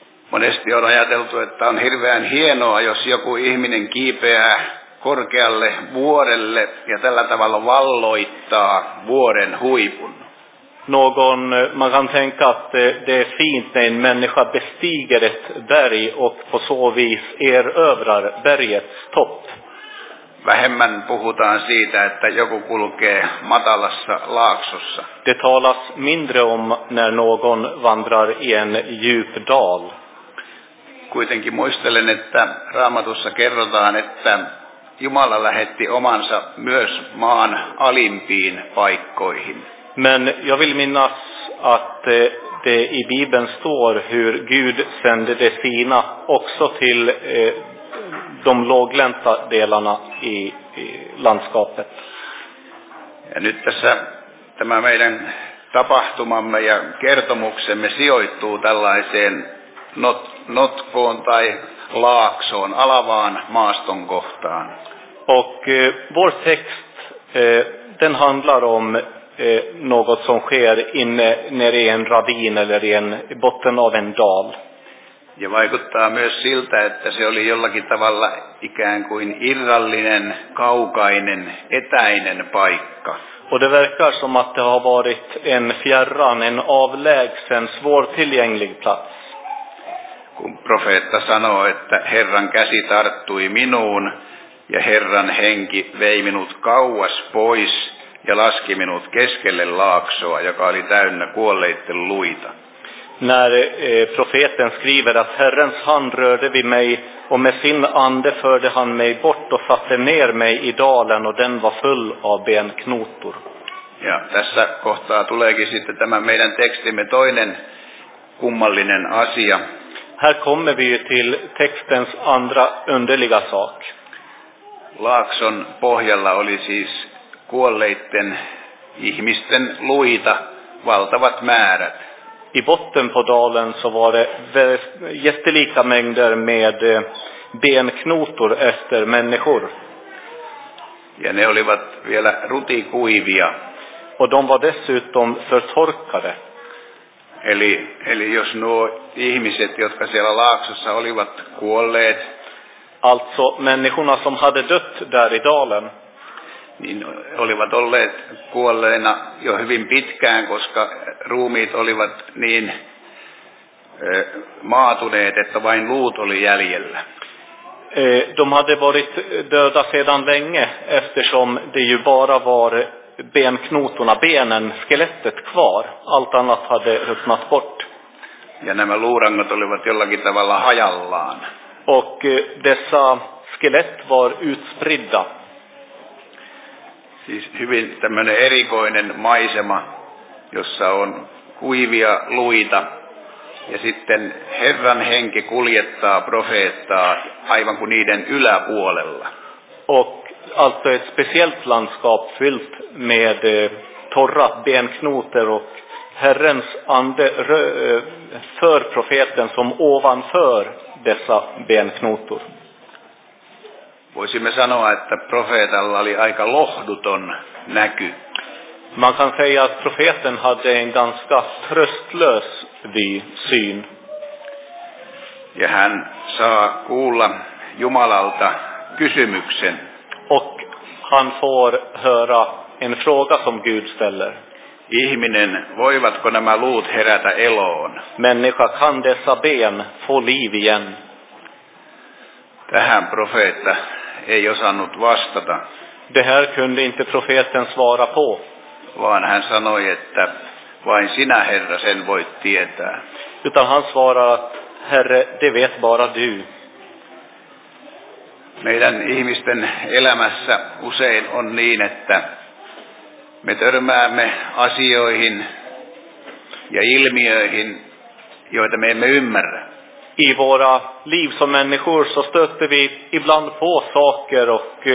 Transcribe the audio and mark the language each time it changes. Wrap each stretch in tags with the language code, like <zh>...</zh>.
<fi>Monesti on ajateltu, että on hirveän hienoa, jos joku ihminen kiipeää korkealle vuorelle ja tällä tavalla valloittaa vuoren huipun.</fi> <sv>Någon, man kan tänka att det är fint när en människa bestiger ett berg och på så vis erövrar bergets topp.</sv> <fi>Vähemmän puhutaan siitä, että joku kulkee matalassa laaksossa.</fi> <sv>Det talas mindre om när någon vandrar i en djup dal.</sv> <fi>Kuitenkin muistelen, että Raamatussa kerrotaan, että Jumala lähetti omansa myös maan alimpiin paikkoihin.</fi> <sv>Men jag vill minnas att det i Bibeln står hur Gud sände det sina också till de låglänta delarna i landskapet.</sv> <fi>Ja nyt tässä tämä meidän tapahtumamme ja kertomuksemme sijoittuu tällaiseen notkoon tai laaksoon, alavaan maaston kohtaan.</fi> <sv>Och vår text, den handlar om något som sker inne nere i en ravin eller i en botten av en dal.</sv> <fi>Ja vaikuttaa myös siltä, että se oli jollakin tavalla ikään kuin irrallinen, kaukainen, etäinen paikka.</fi> <sv>Och det verkar som att det har varit en fjärran, en avlägsen, svårtillgänglig plats.</sv> <fi>Kun profeetta sanoo, että Herran käsi tarttui minuun ja Herran henki vei minut kauas pois ja laski minut keskelle laaksoa, joka oli täynnä kuolleiden luita.</fi> <sv>När profeten skriver att Herrens hand rörde vid mig och med sin ande förde han mig bort och satte ner mig i dalen och den var full av benknotor.</sv> <fi>Ja tässä kohtaa tuleekin sitten tämä meidän tekstimme toinen kummallinen asia.</fi> <sv>Här kommer vi till textens andra underliga sak.</sv> <fi>Laakson pohjalla oli siis kuolleiden ihmisten luita, valtavat määrät.</fi> <sv>I botten på dalen så var det jättelika mängder med benknotor efter människor.</sv> <fi>Ja ne olivat vielä rutikuivia.</fi> <sv>Och de var dessutom förtorkade.</sv> <fi>Eli jos nuo ihmiset, jotka siellä laaksossa olivat kuolleet.</fi> <sv>Alltså människorna som hade dött där i dalen.</sv> <fi>Niin olivat olleet kuolleena jo hyvin pitkään, koska ruumiit olivat niin maatuneet, että vain luut oli jäljellä.</fi> <sv>De hade varit döda sedan länge, eftersom det ju bara var benknotorna, benen, skelettet kvar. Allt annat hade ruttnat bort.</sv> <fi>Ja nämä luurangot olivat jollakin tavalla hajallaan.</fi> <sv>Och dessa skelett var utspridda.</sv> <fi>Siis hyvin tämmöinen erikoinen maisema, jossa on kuivia luita. Ja sitten Herran henki kuljettaa profeettaa aivan kuin niiden yläpuolella.</fi> <sv>Och alltså ett speciellt landskap fyllt med torra benknoter och Herrens ande för profeten som ovanför dessa benknotor.</sv> <fi>Voisimme sanoa, että profeetalla oli aika lohduton näky.</fi> <sv>Man kan säga att profeten hade en ganska tröstlös syn.</sv> <fi>Ja hän saa kuulla Jumalalta kysymyksen.</fi> <sv>Och han får höra en fråga som Gud ställer.</sv> <fi>Ihminen, voivatko nämä luut herätä eloon?</fi> <sv>Människa, kan dessa ben få liv igen?</sv> <fi>Tähän profeetta ei osannut vastata.</fi> <sv>Det här kunde inte profeten svara på.</sv> <fi>Vaan hän sanoi, että vain sinä, Herra, sen voit tietää.</fi> <sv>Utan han svarar, att Herre, det vet bara du.</sv> <fi>Meidän ihmisten elämässä usein on niin, että me törmäämme asioihin ja ilmiöihin, joita me emme ymmärrä.</fi> <sv>I våra liv som människor så stöter vi ibland på saker och</sv>